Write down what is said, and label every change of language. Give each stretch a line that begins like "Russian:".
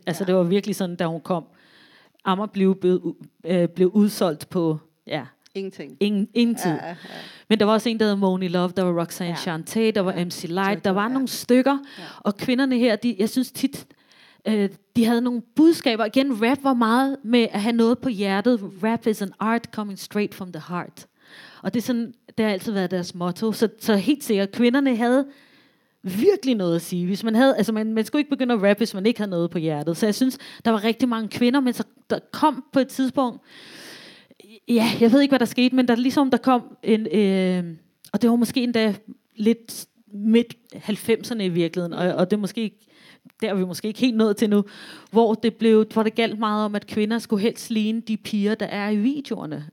Danish: Altså ja, det var virkelig sådan, da hun kom. Amager blev udsolgt på, ja, Ingenting. Ja, ja. Men der var også en, der hedder Moni Love, der var Roxanne, ja, Chanté, der var, ja, MC Light, der var, ja, nogle stykker. Ja. Og kvinderne her, jeg synes tit, de havde nogle budskaber. Igen, rap var meget med at have noget på hjertet.
English: Rap is an art coming straight from the heart.
Danish: Og det er sådan, det har altid været deres motto. Så helt sikkert, kvinderne havde virkelig noget at sige. Hvis man havde, altså man skulle ikke begynde at rappe, hvis man ikke havde noget på hjertet. Så jeg synes, der var rigtig mange kvinder, men så der kom på et tidspunkt, ja, jeg ved ikke, hvad der skete, men der ligesom der kom en, og det var måske endda lidt midt 90'erne i virkeligheden, og det måske ikke, der er vi måske ikke helt nået til nu, hvor det galt meget om, at kvinder skulle helst ligne de piger, der er i videoerne.